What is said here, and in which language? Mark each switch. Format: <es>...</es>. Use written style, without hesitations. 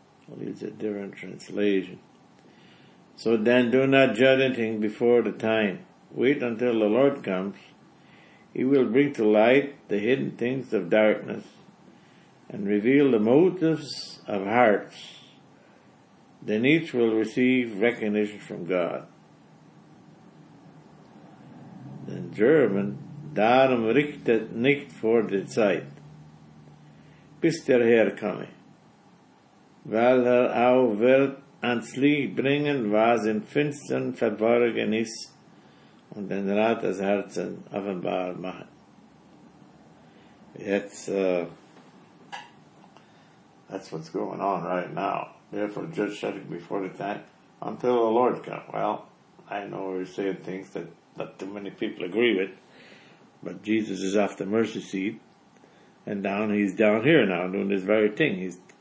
<en>I'll use a different translation. So then do not judge anything before the time. Wait until the Lord comes. He will bring to light the hidden things of darkness and reveal the motives of hearts. Then each will receive recognition from God.</en> <de>In German, darum richtet nicht vor der Zeit, bis der Herr komme, weil er auch wird ans Licht bringen, was im Finstern verborgen ist, und den Rat des Herzens offenbar machen.</de> <en>That's what's going on right now. Therefore, judge nothing before the time, until the Lord come. Well, I know we're saying things that not too many people agree with, but Jesus is off the mercy seat, and he's down here now doing this very thing.</en>